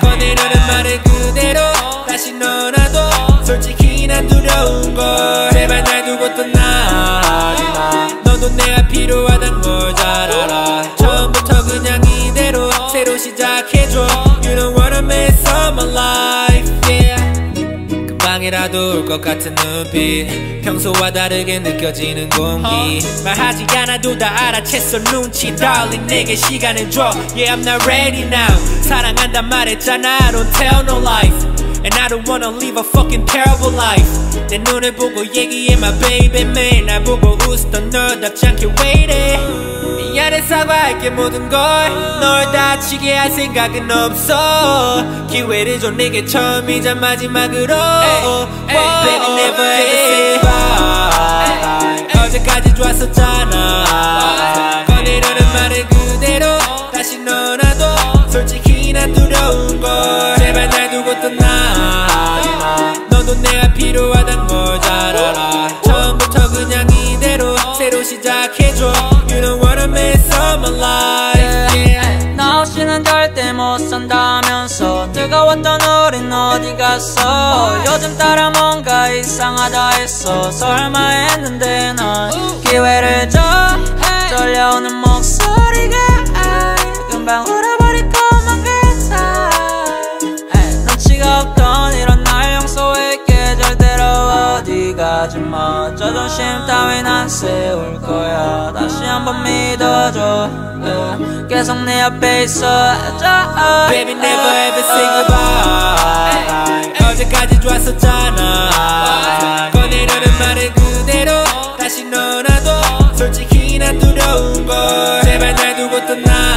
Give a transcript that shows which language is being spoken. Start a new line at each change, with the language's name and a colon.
Korean: 꺼내려는 말은 그대로 다시 넣어놔도 솔직히 난 두려운 걸 제발 날 두고 떠나. 너도 내가 필요하단 걸 잘 알아. 처음부터 그냥 이대로 새로 시작해줘.
English: You don't wanna mess up my life. Yeah.
Korean: 금방이라도 올 것 같은 눈빛. 평소와 다르게 느껴지는 공기. 말하지 않아도 다 알아챘어 눈치. Darling, 내게 시간을 줘.
English: Yeah, I'm not ready now. 사랑한단 말했잖아. I don't tell no lies. And I don't wanna live a fucking terrible life.
Korean: 내 눈을 보고 얘기해 my baby man. 날 보고 웃었던 너답지 않게 waiting. 미안해 사과할게 모든 걸. 널 다치게 할 생각은 없어. 기회를 줘 내게 처음이자 마지막으로.
English: Hey, hey, baby never ever say goodbye.
Korean: 어제까지 좋았었잖아. 꺼내려는 말은 그대로 다시 넣어놔도 솔직히 난 두려운 걸 제발 날 두고 떠나. 너도 내가 필요하단 걸 잘 알아. 처음부터 그냥 이대로 새로 시작해줘.
English: You don't wanna mess up my life.
Korean: 나 없이는 절대 못 산다면서 뜨거웠던 우린 어디 갔어. 요즘 따라 뭔가 이상하다 했어. 설마 했는데 난 기회를 줘. 떨려오는 목소리가 금방 울어버릴 것만 같아. 눈치가 없던 이런 날 용서했게 절대로 어디 가지 마. 자존심 따윈 안 세울 거야. 다시 한번 믿어줘. 계속 내 옆에 있어줘.
English: Baby never ever say goodbye.
Korean: 어제까지 좋았었잖아. 꺼내려는 말은 그대로 다시 넣어놔도 솔직히 난 두려운 걸 제발 날 두고 떠나.